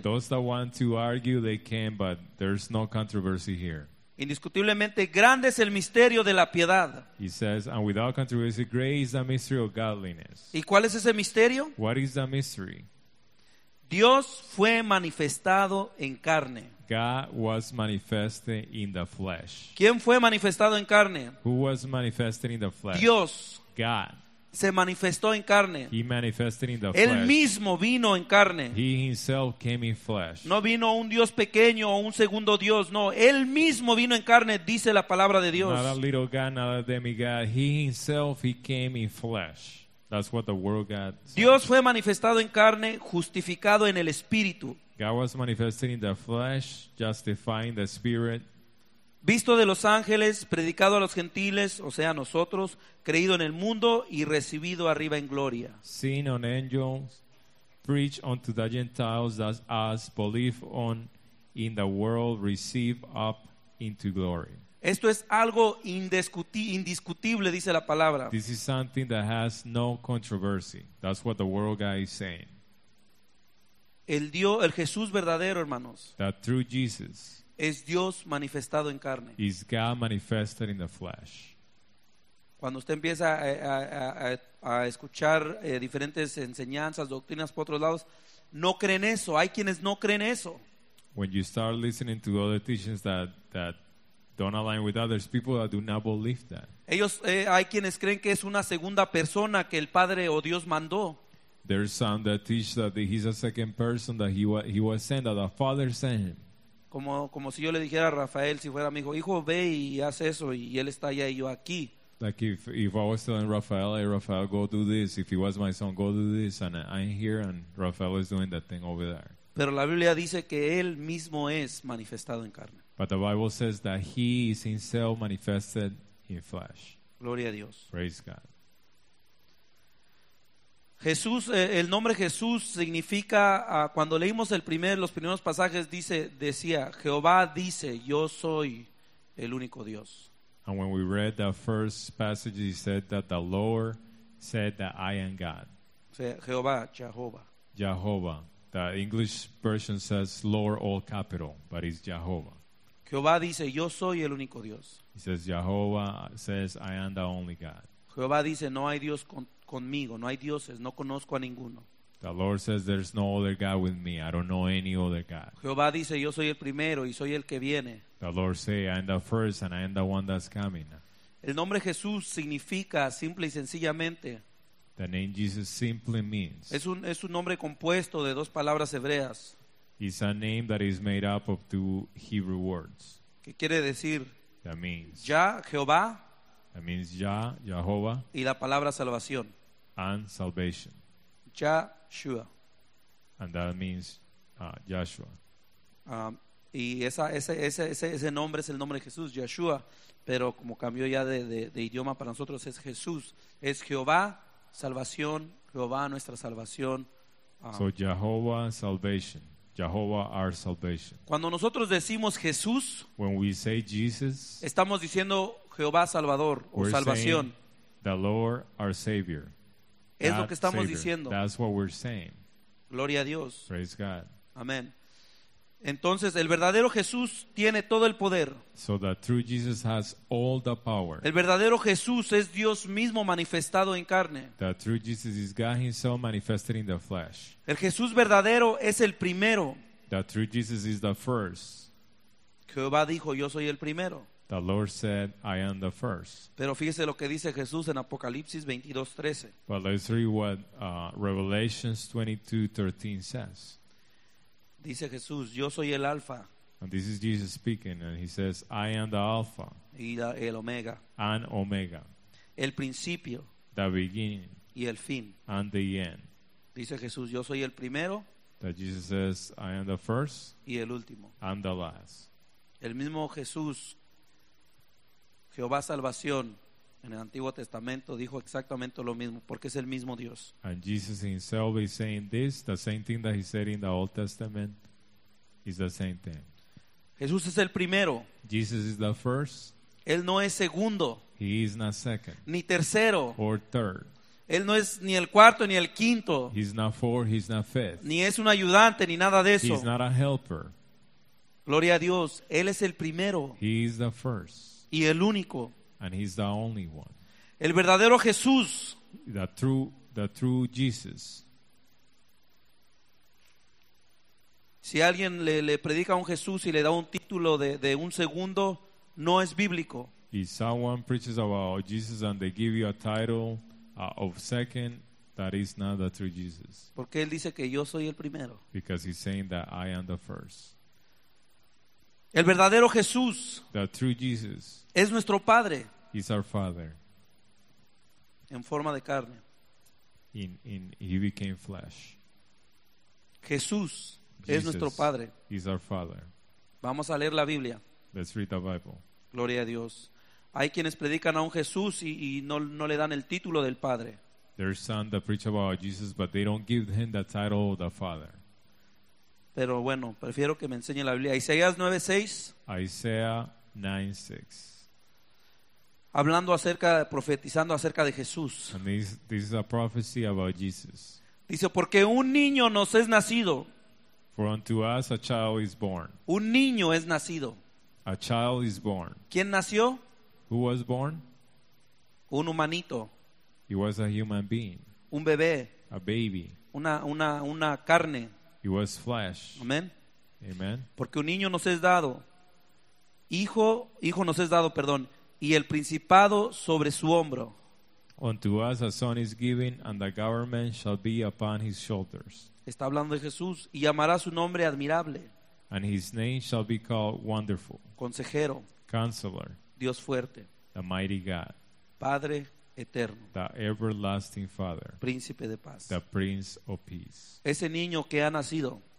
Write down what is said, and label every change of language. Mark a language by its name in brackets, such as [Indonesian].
[English] Those that want to argue, they can, but there's no controversy here. [Spanish] Indiscutiblemente grande es el misterio de la piedad. [English] He says, and without controversy, great is the mystery of godliness. [Spanish] ¿Y cuál es ese misterio? [English] What is the mystery? [Spanish] Dios fue manifestado en carne. [English] God was manifested in the flesh. [Spanish] ¿Quién fue manifestado en carne? [English] Who was manifested in the flesh? [Spanish] Dios. [English] God. [Spanish] Se manifestó en carne. [English] He manifested in the [Spanish] Él [English] flesh. [Spanish] Mismo vino en carne. [English] He himself came in flesh. [Spanish] No vino un Dios pequeño o un segundo Dios. No, Él mismo vino en carne, dice la palabra de Dios. [English] Not a little God, not a demigod. He himself, he came in flesh. That's what the word of God says. [Spanish] Dios fue manifestado en carne, justificado en el Espíritu. [English] God was manifested in the flesh, justifying the Spirit. [Spanish] Visto de los ángeles, predicado a los gentiles, o sea, a nosotros, creído en el mundo y recibido arriba en gloria. [English] Seen on angels, preached unto the Gentiles, that as believed on in the world, received up into glory. [Spanish] Esto es algo indiscutible, dice la palabra. [English] This is something that has no controversy. That's what the world guy is saying. [Spanish] El Jesús verdadero, hermanos. [English] The true Jesus. [Spanish] Es Dios manifestado en carne. [English] Is God manifested in the flesh. [Spanish] Cuando usted empieza a escuchar diferentes enseñanzas, doctrinas por otros lados, no creen eso. Hay quienes no creen eso. [English] When you start listening to other teachings that don't align with others, people that do not believe that. [Spanish] Ellos, hay quienes creen que es una segunda persona que el Padre o Dios mandó. [English] There are some that teach that he's a second person that he was sent, that the Father sent him. [Spanish] Como si yo le dijera a Rafael, si fuera mi hijo, hijo, ve y haz eso, y él está allá y yo aquí. [English] Like if I was telling Rafael, hey, Rafael, go do this. If he was my son, go do this. And I'm here and Rafael is doing that thing over there. [Spanish] Pero la Biblia dice que él mismo es manifestado en carne. [English] But the Bible says that he is himself manifested in flesh. [Spanish] Gloria a Dios. [English] Praise God. [Spanish] Jesús, el nombre Jesús significa, cuando leímos los primeros pasajes, decía, Jehová dice, yo soy el único Dios. [English] And when we read the first passage, he said that the Lord said that I am God. [Spanish] O sea, Jehová, Jehovah. [English] Jehovah. The English version says Lord, all capital, but it's Jehovah. [Spanish] Jehová dice, yo soy el único Dios. [English] He says, Jehovah says, I am the only God. [Spanish] Jehová dice, no hay Dios conmigo, no hay dioses, no conozco a ninguno. [English] The Lord says there's no other God with me. I don't know any other God. [Spanish] Jehová dice, yo soy el primero y soy el que viene. [English] The Lord say, I am the first and I am the one that's coming. [Spanish] El nombre Jesús significa simple y sencillamente. [English] The name Jesus simply means. [Spanish] Es un nombre compuesto de dos palabras hebreas. [English] It's a name that is made up of two Hebrew words. [Spanish] ¿Qué quiere decir? [English] That means. [Spanish] Ya, Jehová. [English] That means Yah, Jehovah. [Spanish] Y la palabra salvación. [English] And salvation. [Spanish] Yahshua. [English] And that means Yahshua. [Spanish] Y ese nombre es el nombre de Jesús, Yahshua. Pero como cambió ya de idioma para nosotros, es Jesús. Es Jehová, salvación. Jehová, nuestra salvación. [English] So Jehovah, salvation. Jehovah, our salvation. [Spanish] Cuando nosotros decimos Jesús, [English] when we say Jesus, [Spanish] estamos diciendo Jehová Salvador o salvación. [English] The Lord, our Savior. [Spanish] Es lo que estamos diciendo. [English] That's what we're saying. [Spanish] Gloria a Dios. [English] Praise God. [Spanish] Amén. Entonces, el verdadero Jesús tiene todo el poder. [English] So the true Jesus has all the power. [Spanish] El verdadero Jesús es Dios mismo manifestado en carne. [English] The true Jesus is God himself manifested in the flesh. [Spanish] El Jesús verdadero es el primero. [English] The true Jesus is the first. [Spanish] Jehová dijo, yo soy el primero. [English] The Lord said, I am the first. [Spanish] Pero fíjese lo que dice Jesús en Apocalipsis 22:13. [English] But let's read what Revelation 22:13 says. [Spanish] Dice Jesús, yo soy el Alfa. [English] And this is Jesus speaking, and he says, I am the Alpha. [Spanish] Y el Omega. [English] And Omega. [Spanish] El principio. [English] The beginning. [Spanish] Y el fin. [English] And the end. [Spanish] Dice Jesús, yo soy el primero. [English] That Jesus says, I am the first. [Spanish] Y el último. [English] And the last. [Spanish] El mismo Jesús, Jehová Salvación, en el Antiguo Testamento, dijo exactamente lo mismo, porque es el mismo Dios. [English] And Jesus himself is saying this, the same thing that he said in the Old Testament, is the same thing. [Spanish] Jesús es el primero. [English] Jesus is the first. [Spanish] Él no es segundo. [English] He is not second. [Spanish] Ni tercero. [English] Or third. [Spanish] Él no es ni el cuarto ni el quinto. [English] He's not fourth, he's not fifth. [Spanish] Ni es un ayudante, ni nada de eso. [English] He's not a helper. [Spanish] Gloria a Dios. Él es el primero. [English] He is the first. [Spanish] Y el único. [English] And he's the only one. [Spanish] El verdadero Jesús. [English] The true Jesus. [Spanish] Si alguien le predica a un Jesús y le da un título de un segundo, no es bíblico. [English] If someone preaches about Jesus and they give you a title of second, that is not the true Jesus. [Spanish] Porque él dice que yo soy el primero. [English] Because he's saying that I am the first. [Spanish] El verdadero Jesús. [English] The true Jesus. [Spanish] Es nuestro Padre. [English] He's our Father. [Spanish] En forma de carne. [English] In he became flesh. [Spanish] Jesús. Es nuestro Padre. [English] He's our Father. [Spanish] Vamos a leer la Biblia. [English] Let's read the Bible. [Spanish] Gloria a Dios. Hay quienes predican a un Jesús y no le dan el título del Padre. [English] There's some that preach about Jesus, but they don't give him the title of the Father. [Spanish] Pero bueno, prefiero que me enseñe la Biblia. Isaías 9:6. [English] Isaiah 9:6. [Spanish] Hablando acerca, profetizando acerca de Jesús. [English] And this is a prophecy about Jesus. [Spanish] Dice, porque un niño nos es nacido. [English] For unto us a child is born. [Spanish] Un niño es nacido. [English] A child is born. [Spanish] ¿Quién nació? [English] Who was born? [Spanish] Un humanito. [English] He was a human being. [Spanish] Un bebé. [English] A baby. [Spanish] Una carne. [English] He was flesh. [Spanish] Amen. [English] Amen. [Spanish] Porque un niño nos es dado. Hijo nos es dado, perdón. Y el principado sobre su hombro. [English] Unto us a son is given, and the government shall be upon his shoulders. [Spanish] Está hablando de Jesús y llamará su nombre admirable. [English] And his name shall be called wonderful. [Spanish] Consejero. [English] Counselor. [Spanish] Dios fuerte. [English] The mighty God. [Spanish] Padre eterno. [English] The everlasting Father. [Spanish] Príncipe de paz. [English] The Prince of Peace. [Spanish] Ese niño que ha nacido.